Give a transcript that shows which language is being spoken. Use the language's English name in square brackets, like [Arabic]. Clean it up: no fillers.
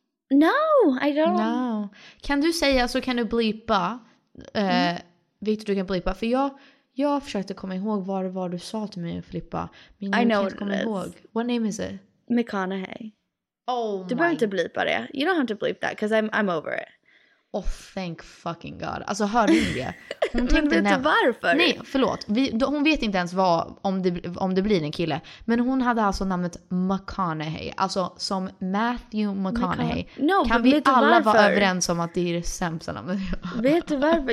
[English] No, I don't. No. [Swedish] Kan du säga, så kan du bleepa. Victor, du kan bleepa. För jag försökte komma ihåg vad du sa till mig, Filippa. Men jag kan inte komma ihåg. [English] What name is it? McConaughey. Oh, [Swedish] du behöver inte bleepa det. [English] You don't have to bleep that, because I'm over it. Oh, thank fucking god. [Swedish] Alltså, hör du det? Hon tänkte, men vet du varför? Nej, förlåt. Hon vet inte ens om det blir en kille. Men hon hade alltså namnet McConaughey. Alltså, som Matthew McConaughey. Kan vi alla vara överens om att det är det sämsta namnet? Vet du varför?